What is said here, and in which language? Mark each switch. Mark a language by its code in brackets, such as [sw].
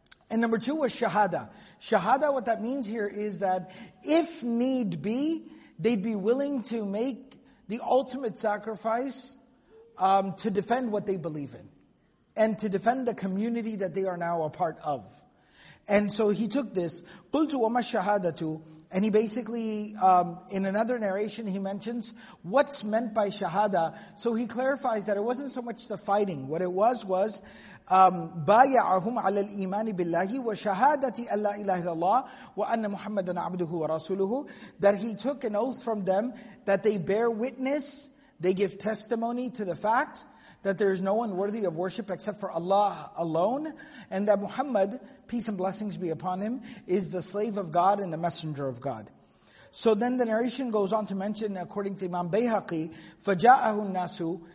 [en] And number two was shahada. Shahada, what that means here is that if need be, they'd be willing to make the ultimate sacrifice to defend what they believe in, and to defend the community that they are now a part of. And so he took this, [ar] قُلْتُ وَمَا الشَّهَادَةُ. [en] And he basically, in another narration, he mentions what's meant by shahada. So he clarifies that it wasn't so much the fighting. What it was, [ar] بَايَعَهُمْ عَلَى الْإِيمَانِ بِاللَّهِ وَشَهَادَةِ أَلَّا إِلَّا إِلَّا اللَّهِ وَأَنَّ مُحَمَّدًا عَبْدُهُ وَرَسُولُهُ. [en] That he took an oath from them that they bear witness, they give testimony to the fact that there is no one worthy of worship except for Allah alone, and that Muhammad, peace and blessings be upon him, is the slave of God and the messenger of God. So then the narration goes on to mention, according to Imam Bayhaqi, [ar] فَجَاءَهُ النَّاسُ.